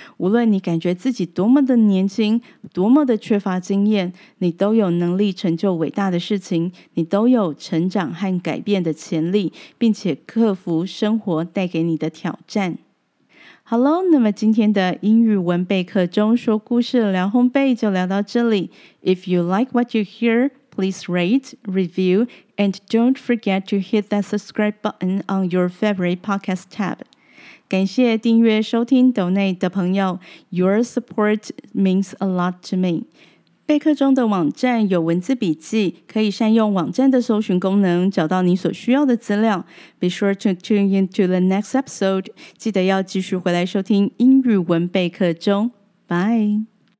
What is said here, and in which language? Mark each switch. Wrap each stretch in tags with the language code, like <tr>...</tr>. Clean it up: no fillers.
<zh>无论你感觉自己多么的年轻，多么的缺乏经验，你都有能力成就伟大的事情，你都有成长和改变的潜力，并且克服生活带给你的挑战。好喽，那么今天的英语文备课中说故事聊烘焙就聊到这里。</zh> <en>If you like what you hear,Please rate, review, and don't forget to hit that subscribe button on your favorite podcast tab.</en> <zh>感谢订阅收听斗内的朋友，</zh> <en>Your support means a lot to me.</en> <zh>备课中的网站有文字笔记，可以善用网站的搜寻功能找到你所需要的资料。</zh> <en>Be sure to tune into the next episode.</en> <zh>记得要继续回来收听英语文备课中。</zh> <en>Bye!</en>